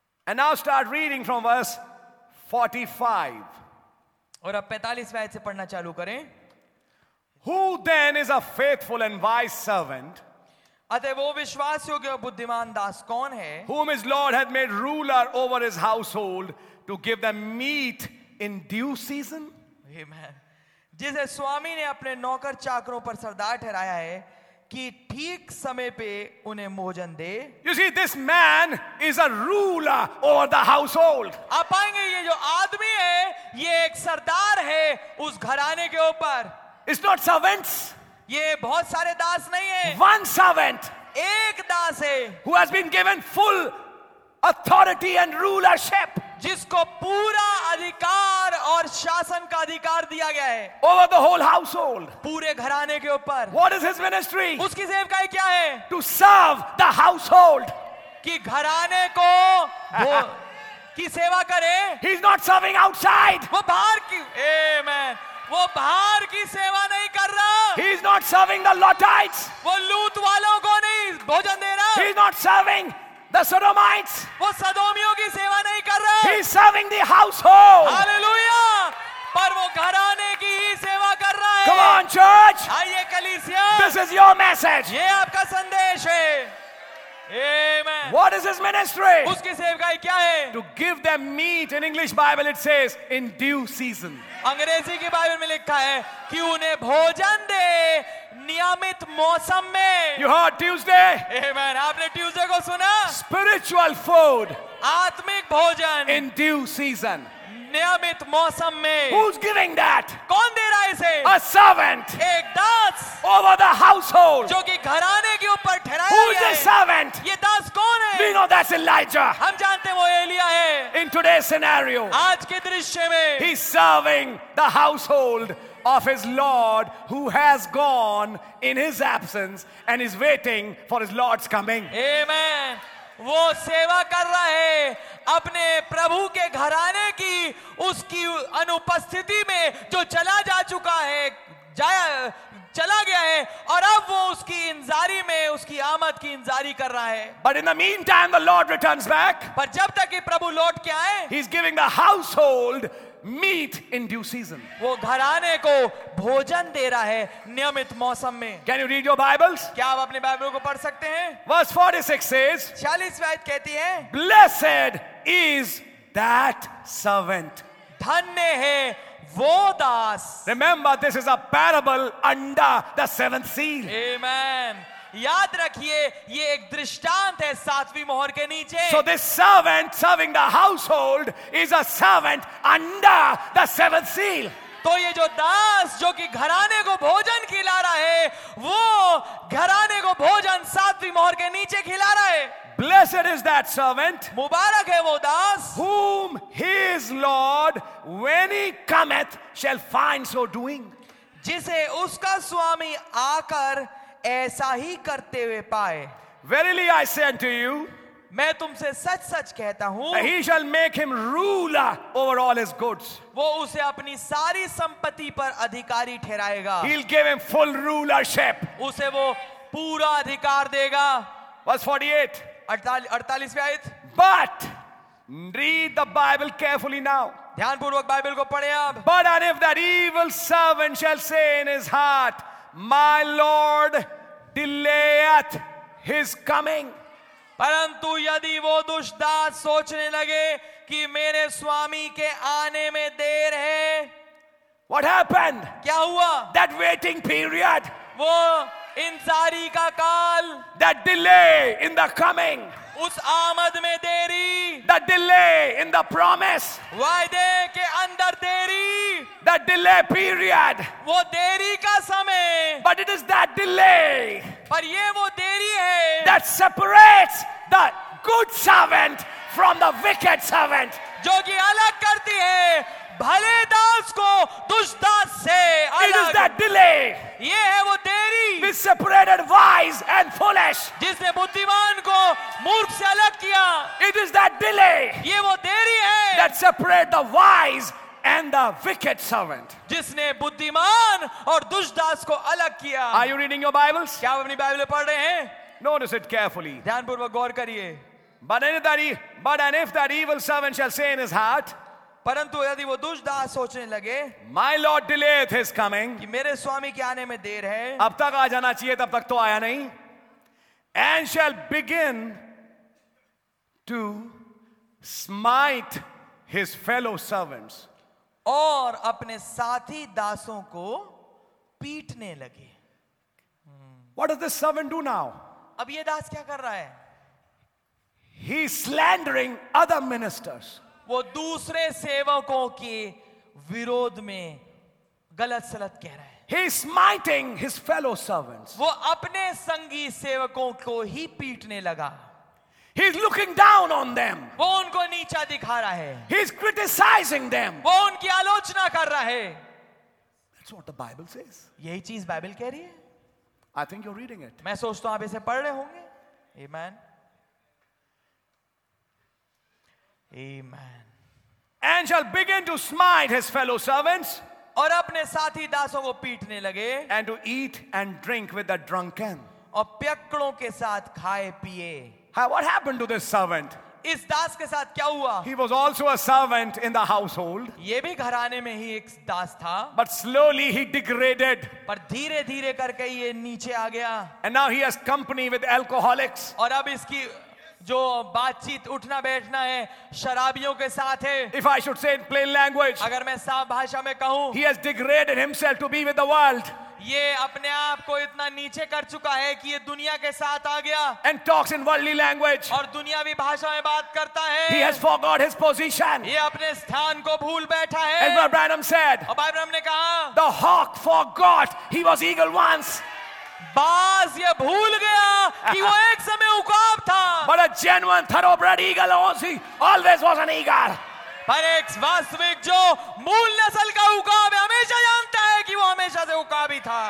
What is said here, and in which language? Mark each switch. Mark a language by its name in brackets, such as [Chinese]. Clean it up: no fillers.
[English] And I'll start reading from verse 45. [Hindi] और अब 45वें आयत से पढ़ना चालू करें. [English] Who then is a faithful and wise servant? [Hindi] अतः वो विश्वास योग्य और बुद्धिमान दास कौन है? [English] Whom his Lord hath made ruler over his household to give them meat in due season? Amen. [Hindi] जिसे स्वामी ने अपने नौकर चाकरों पर सरदार ठहराया है कि ठीक समय पे उन्हें भोजन दे. [English] You see, this man is a ruler over the household. [Hindi] आप पाएंगे ये जो आदमी है ये एक सरदार है उस घराने के ऊपर. [English] It's not servants. [Hindi] ये बहुत सारे दास नहीं है. [English] One servant. [Hindi] एक दास है. [English] Who has been given full authority and rulership. [Hindi] जिसको पूरा अधिकार और शासन का अधिकार दिया गया है. [English] Over the whole household. [Hindi] पूरे घराने के ऊपर. [English] What is his ministry? [Hindi] उसकी सेवकाई क्या है? [English] To serve the household. [Hindi] कि घराने को की सेवा करे. [English] He is not serving outside. [Hindi] वो बाहर की. Amen. वो भार की सेवा नहीं कर रहा। [English] He is not serving the Lotites. [Hindi] वो लूट वालों को नहीं भोजन दे रहा। [English] He is not serving the Sodomites. [Hindi] वो सदोमियों की सेवा नहीं कर रहा। [English] He is serving the household. Hallelujah. [Hindi] पर वो घराने की ही सेवा कर रहा है। [English] Come on, church. [Hindi] आइए कलीसिया। [English] This is your message. [Hindi] ये आपका संदेश है। Amen. [English] What is his ministry? [Hindi] उसकी सेवकाई क्या है? [English] To give them meat. In English Bible it says, in due season. [Hindi] अंग्रेजी की बाइबल में लिखा है कि उन्हें भोजन दे नियमित मौसम में। [English] You heard Tuesday? [Hindi] Amen. आपने ट्यूसडे को सुना? [English] Spiritual food. [Hindi] आत्मिक भोजन। [English] In due season. [Hindi] नियमित मौसम में। [English] Who's giving that? [Hindi] कौन दे रहा है इसे? [English] A servant. [Hindi] एक दास। [English] Over the household. [Hindi] जो कि घराने के ऊपर ठहराया गया है। [English] Who's the servant? [Hindi] ये दास कौन है? [English] We know that's Elijah. [Hindi] हम जानते हैं वो एलिया है। [English] In today's scenario. [Hindi] आज के दृश्य में। [English] He's serving the household of his Lord, who has gone in his absence and is waiting for his Lord's coming. Amen. [Hindi] वो सेवा कर रहा है अपने प्रभु के घराने की उसकी अनुपस्थिति में जो चला जा चुका है चला गया है और अब वो उसकी इंतजारी में उसकी आमद की इंतजारी कर रहा है। [English] But in the meantime, the Lord returns back. [Hindi] पर जब तक कि प्रभु लौट के आए, [English] He's giving the household meat in due season. [Hindi] वो घराने को भोजन दे रहा है नियमित मौसम में। [English] Can you read your Bibles? [Hindi] क्या आप अपने बाइबल को पढ़ सकते हैं? [English] Verse 46 says. [Hindi] 46वीं आयत कहती है। [English] Blessed is that servant. [Hindi] धन्य है वो दास। [English] Remember, this is a parable under the seventh seal. Amen. [Hindi] याद रखिए ये एक दृष्टांत है सातवीं मोहर के नीचे। [English] So this servant serving the household is a servant under the seventh seal. [Hindi] तो ये जो दास जो कि घराने को भोजन खिला रहा है वो घराने को भोजन सातवीं मोहर के नीचे खिला रहा है। [English] Blessed is that servant. [Hindi] मुबारक है वो दास। [English] Whom his lord when he cometh shall find so doing. [Hindi] जिसे उसका स्वामी आकर ऐसा ही करते हुए पाए। [English] Verily I say unto you, [Hindi] मैं तुमसे सच सच कहता हूं, [English] he shall make him ruler over all his goods. [Hindi] वो उसे अपनी सारी संपत्ति पर अधिकारी ठहराएगा। [English] He'll give him full rulership. [Hindi] उसे वो पूरा अधिकार देगा। [English] Verse 48. [Hindi] 48वीं आयत। [English] But read the Bible carefully now. [Hindi] ध्यानपूर्वक बाइबल को पढ़े आप। [English] But and if that evil servant shall say in his heart, My Lord delayeth his coming. [Hindi] परंतु यदि वो दुष्ट दास सोचने लगे कि मेरे स्वामी के आने में देर है। [English] What happened? [Hindi] क्या हुआ? [English] That waiting period. [Hindi] वो इंतजारी का काल। [English] That delay in the coming. [Hindi] उस आमद में देरी। [English] The delay in the promise. [Hindi] वायदे के अंदर देरी। [English] The delay period. [Hindi] वो देरी का समय। [English] But it is that delay. [Hindi] पर ये वो देरी है। [English] That separates the good servant from the wicked servant. [Hindi] जो कि अलग करती है भले दास को दुष्ट दास से अलग। [English] It is that delay. [Hindi] ये है वो देरी। [English] Which separated wise and foolish. [Hindi] जिसने बुद्धिमान को मूर्ख से अलग किया। [English] It is that delay. [Hindi] ये वो देरी है। [English] That separate the wise and the wicked servant. [Hindi] जिसने बुद्धिमान और दुष्ट दास को अलग किया। [English] Are you reading your Bibles? [Hindi] क्या आप अपनी बाइबल पढ़ रहे हैं? [English] Notice it carefully. [Hindi] ध्यानपूर्वक गौर करिए। [English] But if that evil servant shall say in his heart. [Hindi] परंतु यदि वो दुष्ट दास सोचने लगे, [English] My Lord delayeth his coming, [Hindi] कि मेरे स्वामी के आने में देर है, अब तक आ जाना चाहिए, तब तक तो आया नहीं, [English] and shall begin to smite his fellow servants, [Hindi] और अपने साथी दासों को पीटने लगे। [English] What does this servant do now? [Hindi] अब ये दास क्या कर रहा है? [English] He is slandering other ministers. [Hindi] वो दूसरे सेवकों के विरोध में गलत सलत कह रहा है। [English] He is smiting his fellow servants. [Hindi] वो अपने संगी सेवकों को ही पीटने लगा। [English] He is looking down on them. [Hindi] वो उनको नीचा दिखा रहा है। [English] He is criticizing them. [Hindi] वो उनकी आलोचना कर रहा है। [English] That's what the Bible says. [Hindi] यही चीज बाइबल कह रही है। [English] I think you're reading it. [Hindi] मैं सोचता हूं आप इसे पढ़ रहे होंगे। [English] Amen. Amen. And shall begin to smite his fellow servants. [Hindi] और अपने साथी दासों को पीटने लगे [English] and to eat and drink with the drunken [Hindi] और प्यक्कड़ों के साथ खाए पिए [English] what happened to this servant [Hindi] इस दास के साथ क्या हुआ [English] he was also a servant in the household [Hindi] ये भी घराने में ही एक दास था [English] but slowly he degraded [Hindi] पर धीरे-धीरे करके ये नीचे आ गया [English] and now he has company with alcoholics [Hindi] और अब इसकी जो बातचीत उठना बैठना है शराबियों के साथ है [English] if I should say in plain language [Hindi] अगर मैं साफ भाषा में कहूं [English] he has degraded himself to be with the world [Hindi] ये अपने आप को इतना नीचे कर चुका है कि ये दुनिया के साथ आ गया [English] and talks in worldly language [Hindi] और दुनियावी भाषा में बात करता है [English] he has forgot his position [Hindi] ये अपने स्थान को भूल बैठा है [English] and Abraham said [Hindi] और अब्राहम ने कहा [English] the hawk forgot he was eagle once [Hindi] बाज ये भूल गया कि वो एक समय उकाब था [English] but a genuine thoroughbred eagle always was an eagle [Hindi] पर एक वास्तविक जो मूल नस्ल का उकाब है हमेशा जानता है कि वो हमेशा से उकाबी था